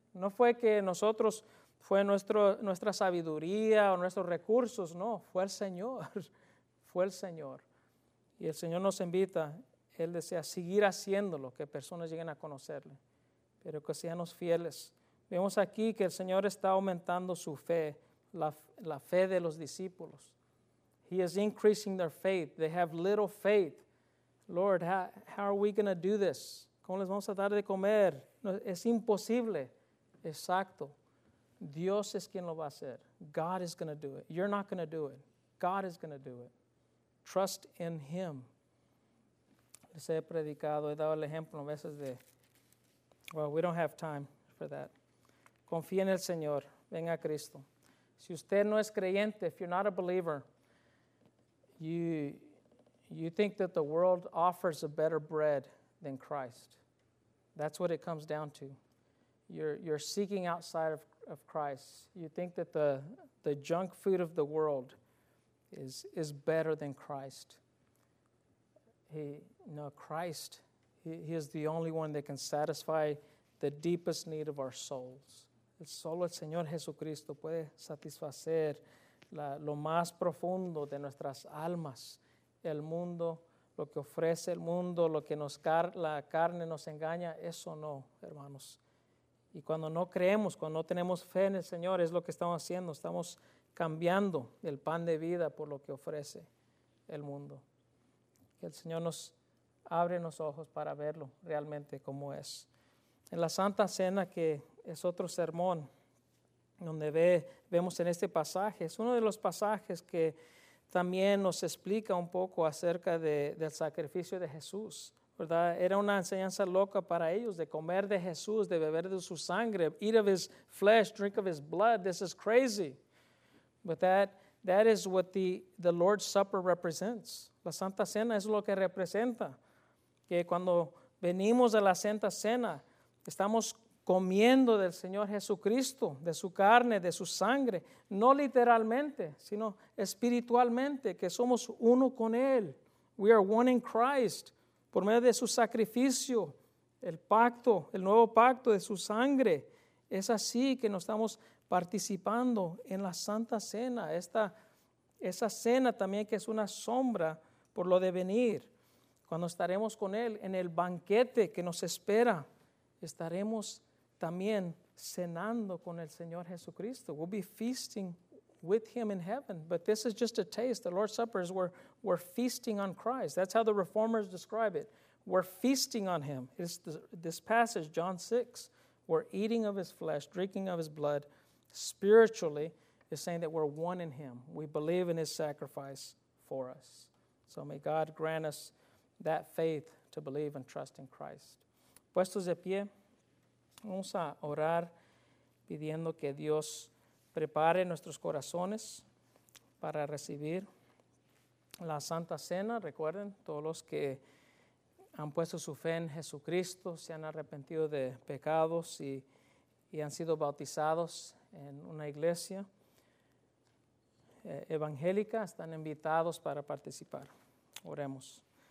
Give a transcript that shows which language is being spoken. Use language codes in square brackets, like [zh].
[es] No fue que nosotros, fue nuestra sabiduría o nuestros recursos, no, fue el Señor. Fue el Señor. Y el Señor nos invita, Él desea seguir haciéndolo, que personas lleguen a conocerle, pero que seamos fieles. Vemos aquí que el Señor está aumentando su fe. La fe de los discípulos. [en] He is increasing their faith. They have little faith. Lord, how are we going to do this? [es] ¿Cómo les vamos a dar de comer? No, es imposible. Exacto. Dios es quien lo va a hacer. [en] God is going to do it. You're not going to do it. God is going to do it. Trust in Him. [es] Les he predicado, he dado el ejemplo a veces de, [en] well, we don't have time for that. [es] Confía en el Señor. Venga a Cristo. Si usted no es creyente, [en] if you're not a believer, you think that the world offers a better bread than Christ. That's what it comes down to. You're seeking outside of Christ. You think that the junk food of the world is better than Christ. Christ is the only one that can satisfy the deepest need of our souls. [es] Solo el Señor Jesucristo puede satisfacer lo más profundo de nuestras almas. El mundo, lo que ofrece el mundo, lo que la carne nos engaña, eso no, hermanos. Y cuando no creemos, cuando no tenemos fe en el Señor, es lo que estamos haciendo. Estamos cambiando el pan de vida por lo que ofrece el mundo. Que el Señor nos abre los ojos para verlo realmente como es. En la Santa Cena, que es otro sermón donde vemos en este pasaje. Es uno de los pasajes que también nos explica un poco acerca del sacrificio de Jesús, ¿verdad? Era una enseñanza loca para ellos de comer de Jesús, de beber de su sangre. [en] Eat of his flesh, drink of his blood. This is crazy. But that is what the Lord's Supper represents. [es] La Santa Cena es lo que representa. Que cuando venimos a la Santa Cena, estamos comiendo del Señor Jesucristo, de su carne, de su sangre, no literalmente, sino espiritualmente, que somos uno con Él. [en] We are one in Christ, [es] por medio de su sacrificio, el pacto, el nuevo pacto de su sangre. Es así que nos estamos participando en la Santa Cena, esa cena también que es una sombra por lo de venir. Cuando estaremos con Él en el banquete que nos espera, estaremos también cenando con el Señor Jesucristo. [en] We'll be feasting with Him in heaven. But this is just a taste. The Lord's Supper is where we're feasting on Christ. That's how the Reformers describe it. We're feasting on Him. It's this passage, John 6, we're eating of His flesh, drinking of His blood, spiritually, is saying that we're one in Him. We believe in His sacrifice for us. So may God grant us that faith to believe and trust in Christ. [es] Puestos de pie, vamos a orar pidiendo que Dios prepare nuestros corazones para recibir la Santa Cena. Recuerden, todos los que han puesto su fe en Jesucristo, se han arrepentido de pecados y han sido bautizados en una iglesia evangélica, están invitados para participar. Oremos.